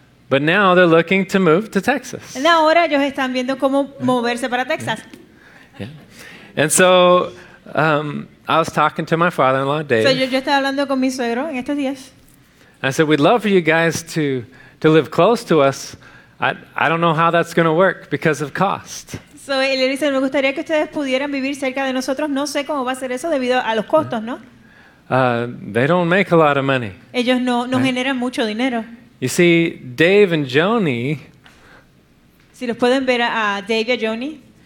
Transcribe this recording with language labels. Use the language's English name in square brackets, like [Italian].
[English] But now they're looking to move to Texas. [Spanish] Y ahora ellos están viendo cómo moverse para Texas. [English] And so I was talking to my father-in-law, Dave. [Spanish] So yo estaba hablando con mi suegro en estos días. [English] I said, "We'd love for you guys to live close to us. I don't know how that's going to work because of cost." [Spanish] So él dice, "Me gustaría que ustedes pudieran vivir cerca de nosotros. No sé cómo va a ser eso debido a los costos, ¿no?" [English] They don't make a lot of money. [Spanish] Ellos no generan mucho dinero. [English] You see, Dave and Joni. [Spanish] Si los pueden ver a Dave y a Joni.